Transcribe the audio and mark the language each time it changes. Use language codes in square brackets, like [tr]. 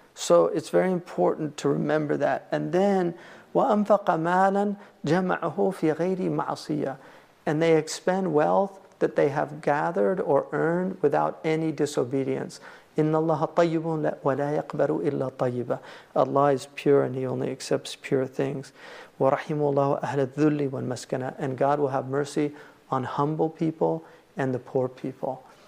[en] So it's very important to remember that. And then [ar] وَأَنْفَقَ مَالًا جَمَعَهُ فِي غَيْرِ مَعْصِيَةٍ. [en] And they expend wealth that they have gathered or earned without any disobedience. [ar] إِنَّ اللَّهَ طَيِّبٌ وَلَا يَقْبَلُ إِلَّا طَيِّبًا. [en] Allah is pure and He only accepts pure things. [ar] وَرَحِمُ اللَّهُ أَهْلَ الذُّلِّ وَالْمَسْكَنَةِ. [en] And God will have mercy on humble people and the poor people.